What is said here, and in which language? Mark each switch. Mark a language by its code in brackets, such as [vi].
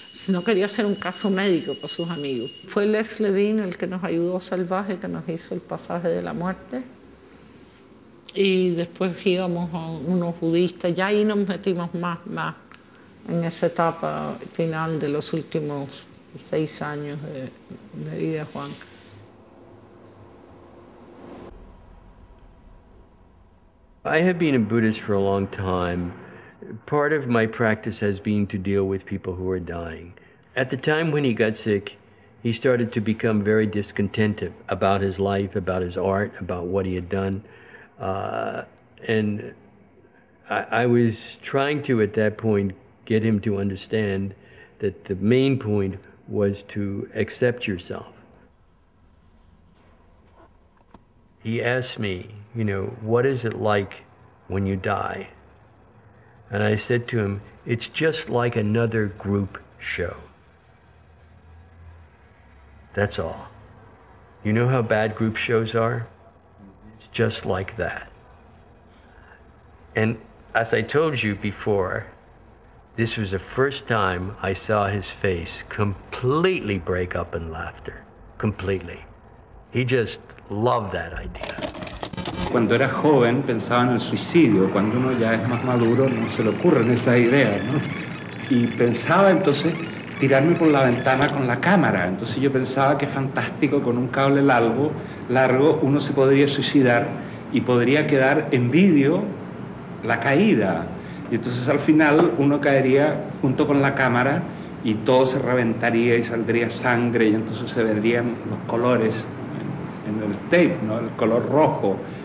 [es] No quería hacer un caso médico para sus amigos. Fue Leslie Dean el que nos ayudó salvaje, que nos hizo el pasaje de la muerte. Y después íbamos a unos budistas. Ya ahí nos metimos más en esa etapa final de los últimos 6 años de vida, Juan. [en] I have been a Buddhist for a long time. Part of my practice has been to deal with people who are dying. At the time when he got sick, he started to become very discontented about his life, about his art, about what he had done. And I was trying to, at that point, get him to understand that the main point was to accept yourself. He asked me, you know, what is it like when you die? And I said to him, it's just like another group show. That's all. You know how bad group shows are? It's just like that. And as I told you before, this was the first time I saw his face completely break up in laughter, completely. He just loved that idea. [es] Cuando era joven pensaba en el suicidio, cuando uno ya es más maduro no se le ocurren esas ideas, ¿no? Y pensaba entonces tirarme por la ventana con la cámara, entonces yo pensaba que fantástico, con un cable largo uno se podría suicidar y podría quedar en vídeo la caída, y entonces al final uno caería junto con la cámara y todo se reventaría y saldría sangre y entonces se verían los colores en el tape, ¿no? El color rojo.